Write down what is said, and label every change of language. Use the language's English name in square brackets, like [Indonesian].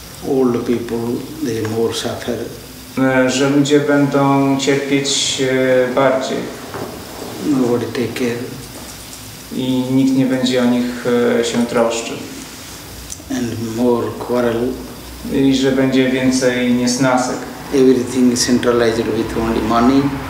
[English] Old people, they more suffer [Polish] że ludzie będą cierpieć bardziej. [English] Nobody take care. [Polish] I nikt nie będzie o nich się troszczył. [English] And more quarrel. [Polish] I że będzie więcej niesnasek. [English] Everything centralized with only money.